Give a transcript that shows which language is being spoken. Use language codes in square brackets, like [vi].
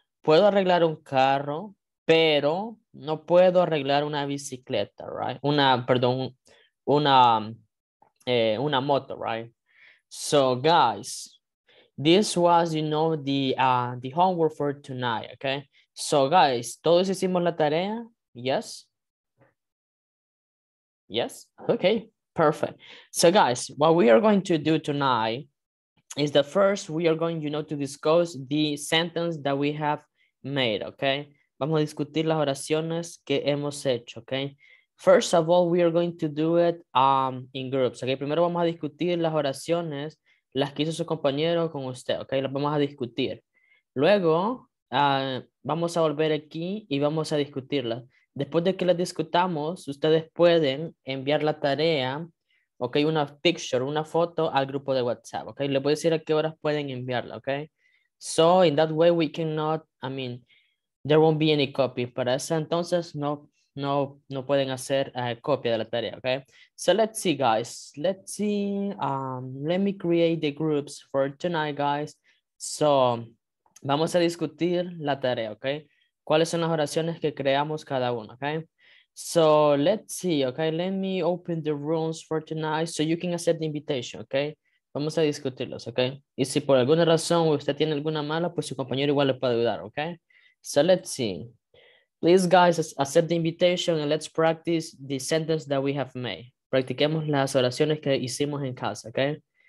[es] Puedo arreglar un carro, pero no puedo arreglar una bicicleta, right? Una moto, right? [en] So, guys, this was, you know, the homework for tonight, okay? So, guys, [es] ¿todos hicimos la tarea? [en] Yes? Yes? Okay. Perfect. So guys, what we are going to do tonight is the first, we are going, you know, to discuss the sentence that we have made, okay? [es] Vamos a discutir las oraciones que hemos hecho, [en] okay? First of all, we are going to do it in groups, okay? [es] Primero vamos a discutir las oraciones, las que hizo su compañero con usted, okay? Las vamos a discutir. Luego, vamos a volver aquí y vamos a discutirlas. Después de que la discutamos, ustedes pueden enviar la tarea, ok, una picture, una foto al grupo de WhatsApp, ok. Le voy a decir a qué horas pueden enviarla, ok. [en] So, in that way, we cannot, I mean, there won't be any copy. [es] Para ese entonces, no pueden hacer copia de la tarea, ok. [en] So, let's see, guys. Let's see. Let me create the groups for tonight, guys. So, [es] vamos a discutir la tarea, ok. ¿Cuáles son las oraciones que creamos cada uno, okay? [en] So, let's see, okay? Let me open the rooms for tonight so you can accept the invitation, okay? [es] Vamos a discutirlos, okay? Y si por alguna razón usted tiene alguna mala, pues su compañero igual le puede ayudar, okay? [en] So, let's see. Please, guys, accept the invitation and let's practice the sentence that we have made. [es] Practiquemos las oraciones que hicimos en casa, okay?